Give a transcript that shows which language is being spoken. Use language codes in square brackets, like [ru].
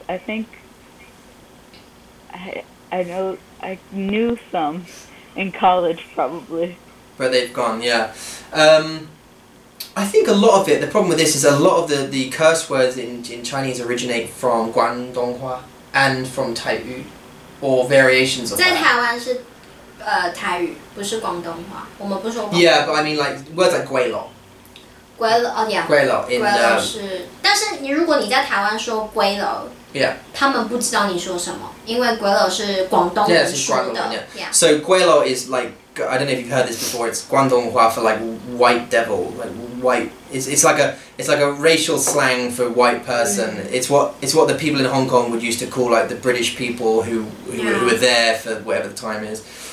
[en] I think I knew some in college probably. Where they've gone, yeah. I think a lot of it, the problem with this is a lot of the curse words in Chinese originate from Guangdonghua and from Taiyu, or variations of that. [zh] 在台湾是台语，不是广东话，我们不说广东话。 [en] Yeah, but I mean like words like Gui Lo. Gui Lo, yeah. Gui Lo in Gui Lo. Yeah. [zh] 他们不知道你说什么，因为鬼佬是广东说的。 [en] Yeah. So Gui Lo is like, I don't know if you've heard this before. It's Guangdonghua for like white devil, like white. It's like a racial slang for white person. Mm. It's what the people in Hong Kong would used to call like the British people who were there for whatever the time is.